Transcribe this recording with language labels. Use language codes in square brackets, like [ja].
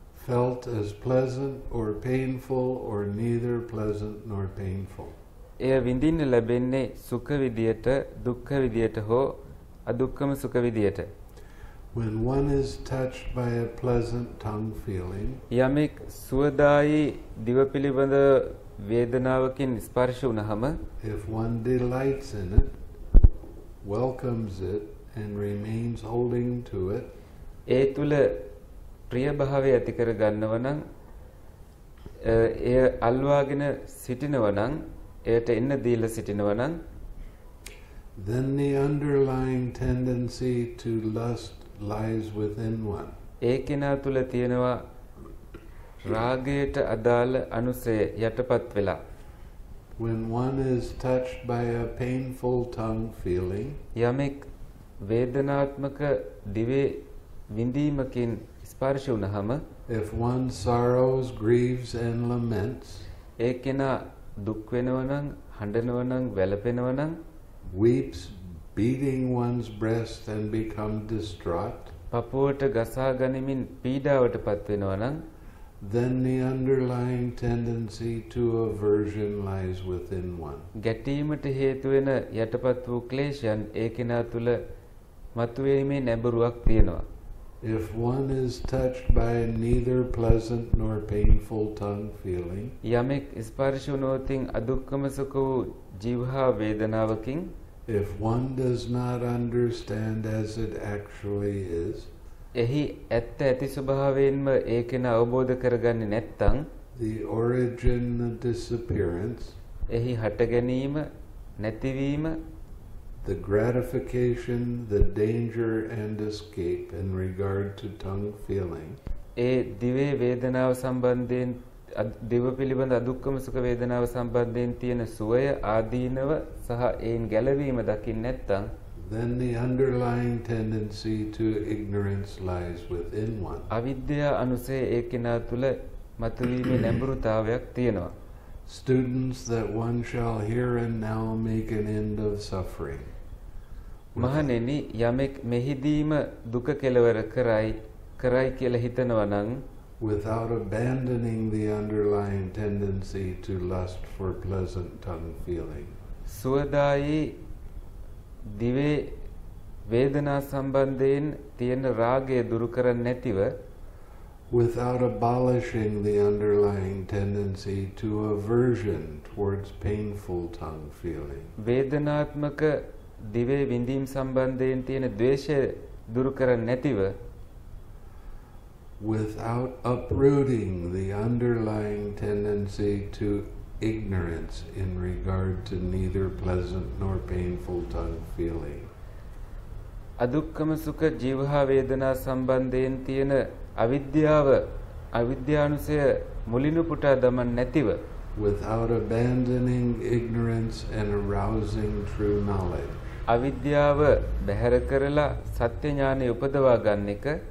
[en] felt as pleasant or painful or neither pleasant nor painful [si] එය විඳින්න ලැබෙන්නේ සුඛ විදියට දුක්ඛ විදියට හෝ අදුක්ඛම සුඛ විදියට [en] when one is touched by a pleasant tongue feeling [si] යමෙක් සුවදායි දිව පිළිබඳ වේදනාවකින් ස්පර්ශ වුනහම [en] if one delights in it welcomes it and remains holding to it [si] ඒ තුල ප්‍රිය භාවය ඇති කර ගන්නව නම් එය අල්වාගෙන සිටිනව නම් එයට එන්න දීලා සිටිනව නම් [en] then the underlying tendency to lust lies within one [si] ඒකිනා තුල තියෙනවා රාගයට අදාළ අනුසය යටපත් වෙලා [en] when one is touched by a painful tongue feeling [si] යමෙක් වේදනාත්මක දිවේ විඳීමකින් ස්පර්ශ වුනහම [en] if one sorrows grieves and laments [si] ඒකෙන දුක් වෙනව නම් හඬනව නම් වැළපෙනව නම් [en] weeps beating one's breast and become distraught [si] පපුවට ගසා ගනිමින් පීඩාවට පත්වෙනවා නම් [en] then the underlying tendency to aversion lies within one. [si] ගැටීමට හේතු වෙන යටපත් වූ ක්ලේශයන් ඒකිනා තුල මතුවීමේ නැඹුරුවක් තියෙනවා. [en] If one is touched by neither pleasant nor painful tongue feeling, [si] යමෙක් ස්පර්ශ නොවතින් අදුක්කම සුඛ වූ ජීවහා වේදනාවකින් [en] if one does not understand as it actually is, [si] එහි ඇත්ත ඇති ස්වභාවයෙන්ම ඒකෙන අවබෝධ කරගන්නේ නැත්තම් [en] the origin, the disappearance, [si] එහි හට ගැනීම නැතිවීම [en] the gratification, the danger and escape in regard to tongue feeling, [si] ඒ දිවේ වේදනාව සම්බන්ධයෙන් දිව පිළිබඳ අදුක්කම සුඛ වේදනාව සම්බන්ධයෙන් තියෙන සුවය ආදීනව සහ ඒන් ගැලවීම දකින්න නැත්තම් [en] then the underlying tendency to ignorance lies within one. [si] අවිද්‍යා අනුසේ ඒකිනා තුල මතුවීමේ නැඹුරුතාවයක් තියෙනවා. [en] Students, that one shall here and now make an end of suffering. [si] මහණෙනි යමෙක් මෙහිදීම දුක කෙලවර කරයි කියලා හිතනවා නම් [en] without abandoning the underlying tendency to lust for pleasant tongue feeling. [si] සුවදායි දිවේ වේදනා සම්බන්ධයෙන් තියෙන රාගය දුරු කරන්නේ නැතිව [en] without abolishing the underlying tendency to aversion towards painful tongue feeling. [si] වේදනාත්මක දිවේ විඳීම් සම්බන්ධයෙන් තියෙන ද්වේෂය දුරු කරන්නේ නැතිව [en] without uprooting the underlying tendency to ignorance in regard to neither pleasant nor painful tongue feeling. [si] අදුක්කම සුඛ ජීවහා වේදනා සම්බන්ධයෙන් තියෙන අවිද්‍යාව අවිද්‍යානුසය මුලිනු පුටා දමන්න නැතිව [en] without abandoning ignorance and arousing true knowledge. [si] අවිද්‍යාව බැහැර කරලා සත්‍ය ඥානෙ උපදවා ගන්න එක